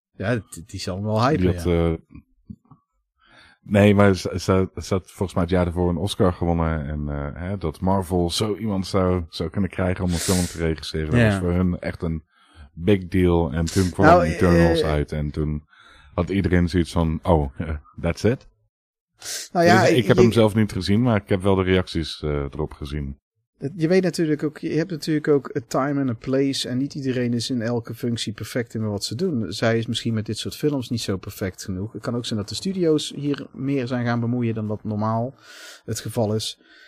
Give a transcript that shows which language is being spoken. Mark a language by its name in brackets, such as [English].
[Dutch] Ja, die zal hem wel hypen, ja. Nee, maar ze had volgens mij het jaar ervoor een Oscar gewonnen. En dat Marvel zo iemand zou kunnen krijgen om een film te regisseren. Ja. Dat was voor hun echt een [English] big deal. [Dutch] En toen kwam Eternals uit. En toen had iedereen zoiets van, [English] that's it. [Dutch] Nou ja, dus ik heb hem zelf niet gezien, maar ik heb wel de reacties erop gezien. Je weet natuurlijk ook, je hebt natuurlijk ook [English] a time and a place. [Dutch] En niet iedereen is in elke functie perfect in wat ze doen. Zij is misschien met dit soort films niet zo perfect genoeg. Het kan ook zijn dat de studio's hier meer zijn gaan bemoeien dan dat normaal het geval is.